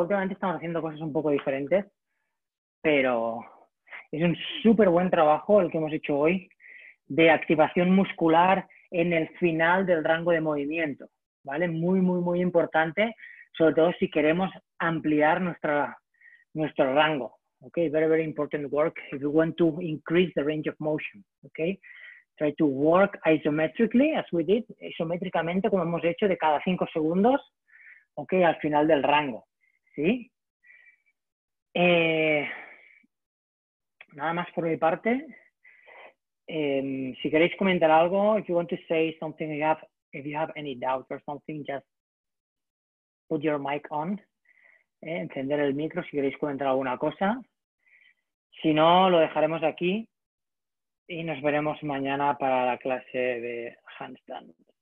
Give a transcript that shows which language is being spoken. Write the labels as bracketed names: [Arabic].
[Spanish] Últimamente estamos haciendo cosas un poco diferentes, pero es un súper buen trabajo el que hemos hecho hoy de activación muscular en el final del rango de movimiento, ¿vale? Muy, muy, muy importante, sobre todo si queremos ampliar nuestro rango, ¿ok? [English] Very, very important work if you want to increase the range of motion, ¿ok? Try to work isometrically, as we did, [Spanish] isométricamente, como hemos hecho, de cada 5 segundos, ¿ok? Al final del rango, ¿sí? Nada más por mi parte. Si queréis comentar algo, [English] if you want to say something, if you have any doubt or something, just put your mic on. [Spanish] Encender el micro si queréis comentar alguna cosa. Si no, lo dejaremos aquí y nos veremos mañana para la clase de handstand.